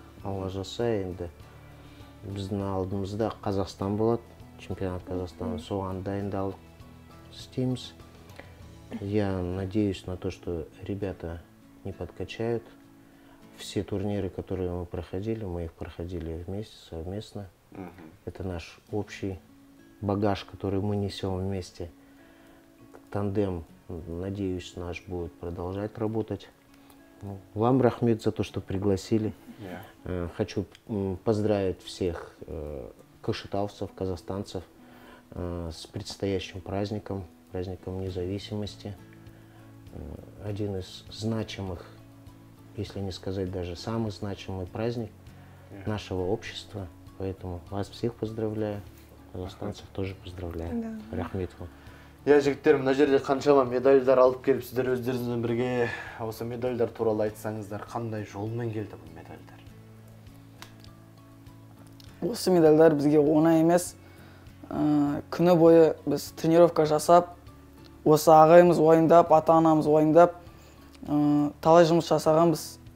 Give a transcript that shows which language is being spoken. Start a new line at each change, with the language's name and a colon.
Kazakh: Алла жаса, енді біздің алдымызда Қазақстан болады,
Russian: чемпионат Қазақстана.
Kazakh: Соған дайындалдық, істейміз.
Russian: Я надеюсь на то, что ребята не подкачают. Все турниры, которые мы их проходили вместе, совместно. Это наш общий багаж, который мы несем вместе. Тандем, надеюсь, наш будет продолжать работать. Вам рахмет за то, что пригласили. Yeah. Хочу поздравить всех кашетавцев, казахстанцев с предстоящим праздником, праздником независимости. Один из значимых, если не сказать даже самый значимый праздник yeah. нашего общества. Поэтому вас всех поздравляю. Қазақстанцев тоже поздравляю. Рахмет вам.
Kazakh: Я, жігіттер, мына жерде қаншама медальдар алып келіп, сіздер өздеріңізбен бірге осы медальдар туралы айтсаңыздар, қандай жолмен келді бұл медальдар? Осы медальдар бізге оңай емес. Күні бойы біз тренировка жасап, осы ағайымыз ойындап, ата-анамыз ойындап, талай жұмыс жасағанбыз.